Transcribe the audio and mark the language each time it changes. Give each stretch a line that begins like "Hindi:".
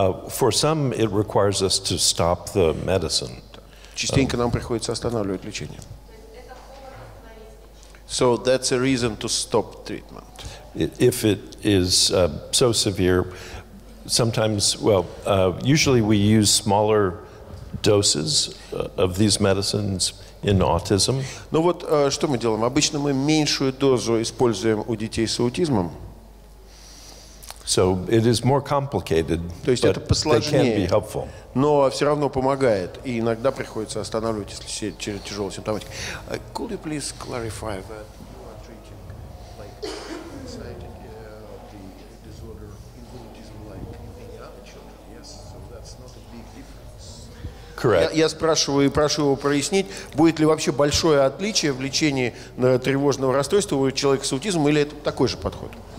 English: For some, it requires us to stop the medicine.
Russian: Частенько нам приходится останавливать лечение.
English: So that's a reason to stop treatment. If it is so severe, sometimes, well, usually we use smaller doses of these medicines in autism.
Russian: Ну вот что мы делаем? Обычно мы меньшую дозу используем у детей с аутизмом.
English: So it is more complicated,
Russian: то есть
English: but
Russian: это посложнее,
English: they can be helpful.
Russian: Но все равно помогает, и иногда приходится останавливать, если через тяжелую симптоматику.
English: Could you please clarify that you are treating like anxiety the disorder in autism like any other children? Yes, so that's not a big difference. Correct.
Russian: Я спрашиваю и прошу его прояснить, будет ли вообще большое отличие в лечении тревожного расстройства у человека с аутизмом, или это такой же подход?